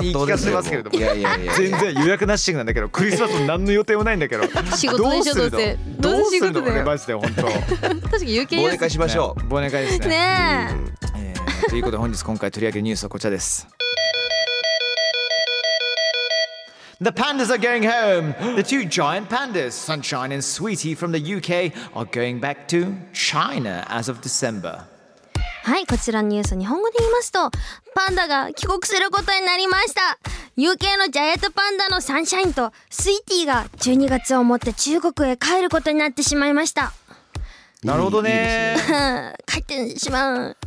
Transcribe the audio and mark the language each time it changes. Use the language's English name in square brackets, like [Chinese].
[Japanese] 勝手に自分に言い聞かせますけれども、いやいやいや、全然予約なしなんだけど、クリスマスも何の予定もないんだけど。仕事でしょ、どうせ。どうするの、マジで本当。確かに有権者。忘年会しましょう。ね、忘年会ですね。ねえ、ということで本日今回取り上げるニュースはこちらです。 [English] The pandas are going home. The two giant pandas, Sunshine and Sweetie from the UK, are going back to China as of December. [Japanese] はい、こちらのニュース日本語で言いますと、パンダが帰国することになりました。 UK のジャイアントパンダのサンシャインとスイーティーが12月をもって中国へ帰ることになってしまいました。なるほどね。帰ってしまう。